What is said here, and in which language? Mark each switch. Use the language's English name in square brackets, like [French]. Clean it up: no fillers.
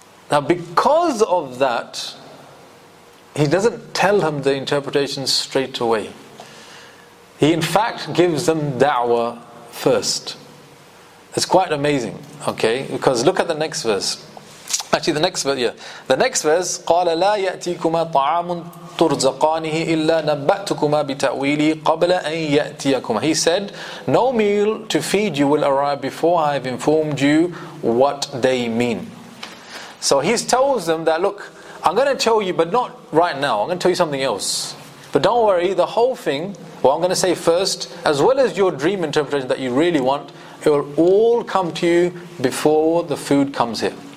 [English] Now because of that, he doesn't tell him the interpretation straight away. He in fact gives them da'wah first. It's quite amazing. Okay, because look at the next verse. Actually, the next verse, [Arabic] قَالَ لَا يَأْتِيكُمَا طَعَامٌ تُرْزَقَانِهِ إِلَّا نَبَّأْتُكُمَا بِتَأْوِيلِهِ قَبْلَ أَن يَأْتِيَكُمَا. [English] He said, no meal to feed you will arrive before I have informed you what they mean. So he tells them that, look, I'm going to tell you, but not right now. I'm going to tell you something else. But don't worry, the whole thing, what I'm going to say first, as well as your dream interpretation that you really want, it will all come to you before the food comes here.